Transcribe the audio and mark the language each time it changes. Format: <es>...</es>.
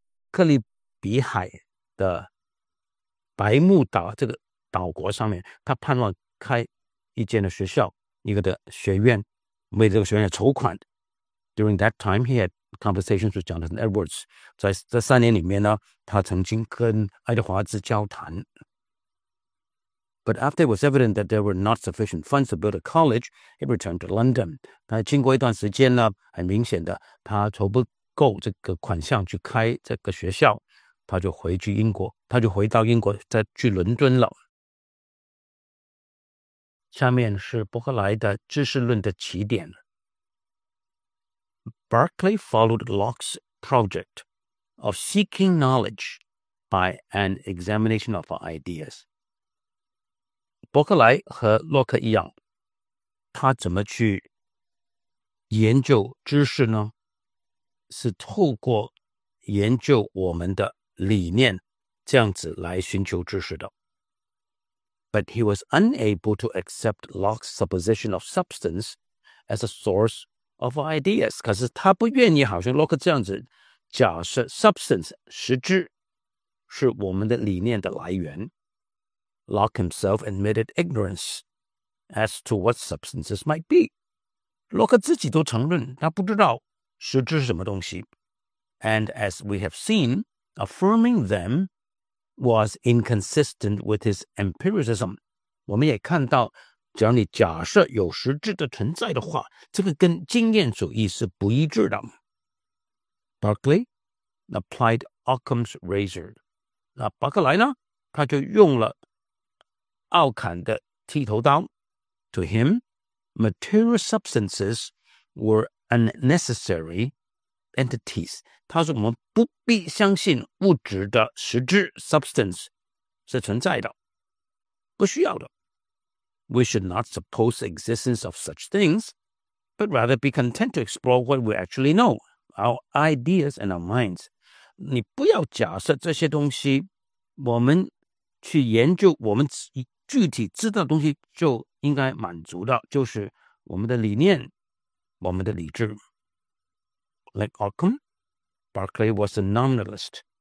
<zh>克里比海的白木岛这个岛国上面他盼望开一间的学校一个的学院为这个学院筹款</zh> <en>During that time, he had conversations with Jonathan Edwards.</en> <zh>在这三年里面呢，他曾经跟爱德华兹交谈。</zh> <en>But after it was evident that there were not sufficient funds to build a college, he returned to London.</en> <zh>但经过一段时间呢，很明显的，他筹不够这个款项去开这个学校，他就回去英国，他就回到英国，再去伦敦了。下面是伯克莱的知识论的起点。</zh> <en>Berkeley followed Locke's project of seeking knowledge by an examination of ideas.</en> <zh>伯克莱和洛克一样，他怎么去研究知识呢？是透过研究我们的理念，这样子来寻求知识的。</zh> <en>But he was unable to accept Locke's supposition of substance as a source of ideas,</en> <zh>可是他不愿意好像洛克这样子假设 substance, 实质是我们的理念的来源。</zh> <en>Locke himself admitted ignorance as to what substances might be.</en> <zh>洛克自己都承认他不知道实质是什么东西。</zh> <en>And as we have seen, affirming them was inconsistent with his empiricism.</en> <zh>我们也看到只要你假设有实质的存在的话，这个跟经验主义是不一致的。</zh> <en>Berkeley applied Occam's razor.</en> <zh>那伯克莱呢？他就用了奥坎的剃头刀。</zh> <en>To him, material substances were unnecessary entities.</en> <zh>他说我们不必相信物质的实质 substance 是存在的，不需要的。</zh> <en>We should not suppose the existence of such things, but rather be content to explore what we actually know, our ideas and our minds.</en> <zh>你不要假设这些东西，我们去研究我们具体知道的东西就应该满足的，就是我们的理念，我们的理智。</zh> <en>Like Occam, Berkeley was a nominalist.</en>